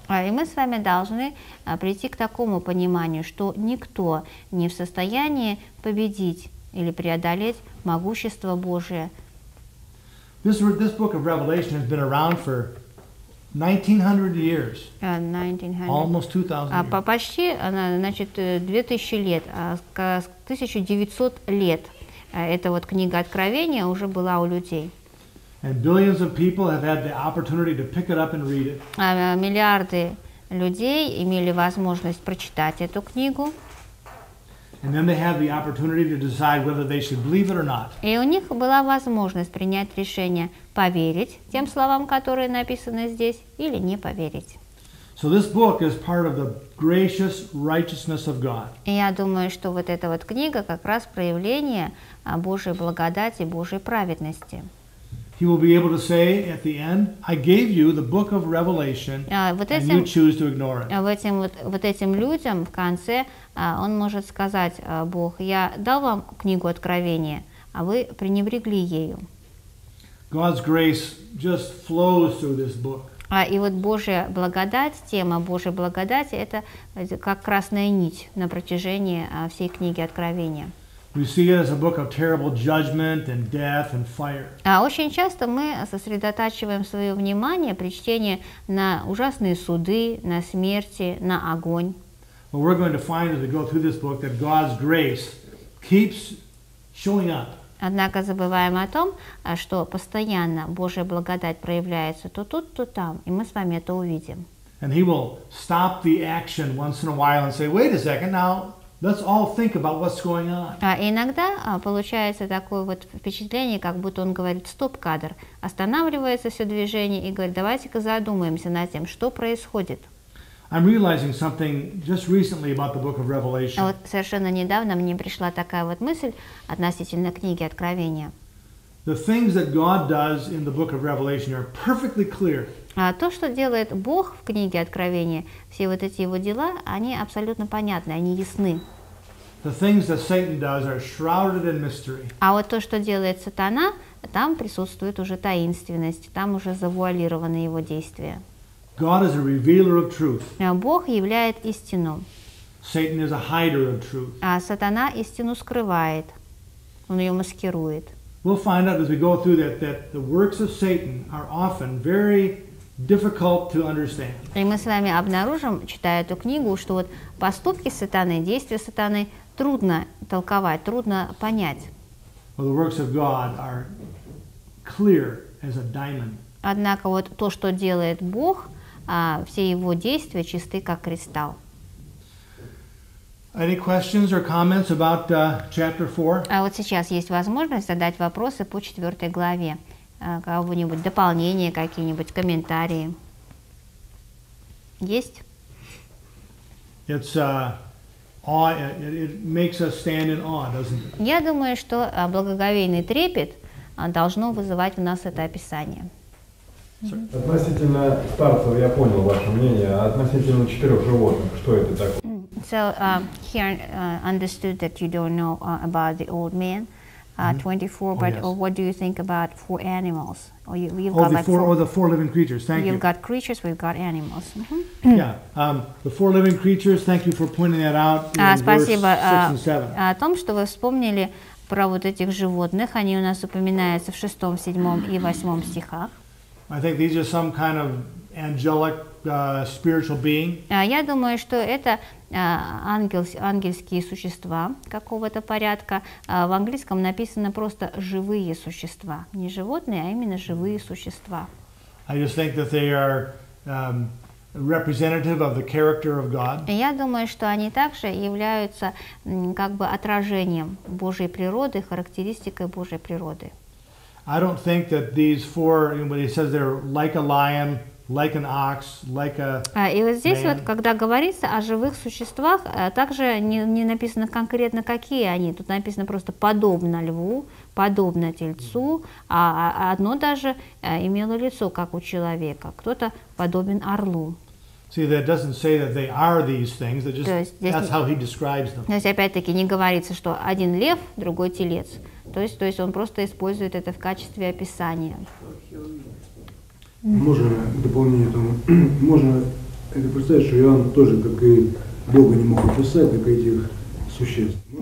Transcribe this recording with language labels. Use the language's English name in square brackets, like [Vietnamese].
[Russian] И мы с вами должны прийти к такому пониманию, что никто не в состоянии победить или преодолеть могущество Божие. [English] This book of Revelation has been around for 1900 years. 1900. Almost 2000 years. [Russian] Почти, значит, 2000 лет. 1900 лет. Эта вот книга Откровения уже была у людей. [English] And billions of people have had the opportunity to pick it up and read it. [Russian] Миллиарды людей имели возможность прочитать эту книгу. [English] And then they have the opportunity to decide whether they should believe it or not. [Russian] И у них была возможность принять решение поверить тем словам, которые написаны здесь, или не поверить. [English] So this book is part of the gracious righteousness of God. [Russian] И я думаю, что вот эта вот книга как раз проявление Божьей благодати, Божьей праведности. [English] He will be able to say at the end, "I gave you the book of Revelation, and you choose to ignore it." [Russian] Вот этим людям в конце он может сказать: Бог, я дал вам книгу Откровения, а вы пренебрегли ею. [English] God's grace just flows through this book. [Russian] И вот Божья благодать, тема Божьей благодати, это как красная нить на протяжении всей книги Откровения. [English] We see it as a book of terrible judgment and death and fire. [Russian] Очень часто мы сосредотачиваем свое внимание при чтении на ужасные суды, на смерти, на огонь. [English] But we're going to find as we go through this book that God's grace keeps showing up. [Russian] Однако забываем о том, что постоянно Божья благодать проявляется то тут, то там, и мы с вами это увидим. [English] And he will stop the action once in a while and say, "Wait a second now. Let's all think about what's going on." [Russian] Иногда получается такое вот впечатление, как будто он говорит: "Стоп-кадр". Останавливается все движение и говорит: "Давайте-ка задумаемся над тем, что происходит". [English] I'm realizing something just recently about the book of Revelation. [Russian] Вот совершенно недавно мне пришла такая вот мысль относительно книги Откровения. [English] The things that God does in the book of Revelation are perfectly clear. [Russian] То, что делает Бог в книге Откровения, все вот эти его дела, они абсолютно понятны, они ясны. [English] The things that Satan does are shrouded in mystery. [Russian] А вот то, что делает сатана, там присутствует уже таинственность, там уже завуалированы его действия. [English] God is a revealer of truth. [Russian] Бог являет истину. [English] Satan is a hider of truth. [Russian] А сатана истину скрывает. Он ее маскирует. [English] We'll find out as we go through that that the works of Satan are often very difficult to understand. [Russian] И мы с вами обнаружим, читая эту книгу, что вот поступки сатаны, действия сатаны трудно толковать, трудно понять. [English] Well, the works of God are clear as a diamond. [Russian] Однако вот то, что делает Бог, все его действия чисты, как кристалл. [English] Any questions or comments about chapter 4? [Russian] А вот сейчас есть возможность задать вопросы по 4 главе. Кого-нибудь дополнения, какие-нибудь комментарии. Есть? [English] It's it makes us stand in awe, doesn't it? [Russian] Я думаю, что благоговейный трепет должно вызывать у нас это описание. [English] Sorry. [Russian] Относительно старцев я понял ваше мнение, а относительно четырех животных, что это такое? [English] So here understood that you don't know about the old man, 24. Oh, but yes. Or what do you think about four animals? Or you've got the like four. Oh, the four living creatures. Thank you've you. We've got creatures. We've got animals. Mm-hmm. Yeah, the four living creatures. Thank you for pointing that out in [Russian] спасибо, [English] verse 6 and 7. [Russian] О том, что вы вспомнили про вот этих животных, они у нас упоминаются в 6, 7 и 8 стихах. [English] I think these are some kind of angelic spiritual being. [Russian] Я думаю, что это ангельские существа какого-то порядка. В английском написано просто живые существа, не животные, а именно живые существа. [English] I just think that they are representative of the character of God. [Russian] Я думаю, что они также являются как бы отражением Божьей природы, характеристикой Божьей природы. [English] I don't think that these four, when he says they're like a lion, like an ox, like a man. [Russian] И вот здесь вот, когда говорится о живых существах, также не написано конкретно, какие они. Тут написано просто подобно льву, подобно тельцу, а одно даже имело лицо, как у человека. Кто-то подобен орлу. [English] See, that doesn't say that they are these things. That just, that's how he describes them. [Russian] То есть опять-таки не говорится, что один лев, другой телец. То есть он просто использует это в качестве описания. Можно дополнение этому. Можно это представить, что Иоанн тоже, как и Бога, не мог описать, как этих существ.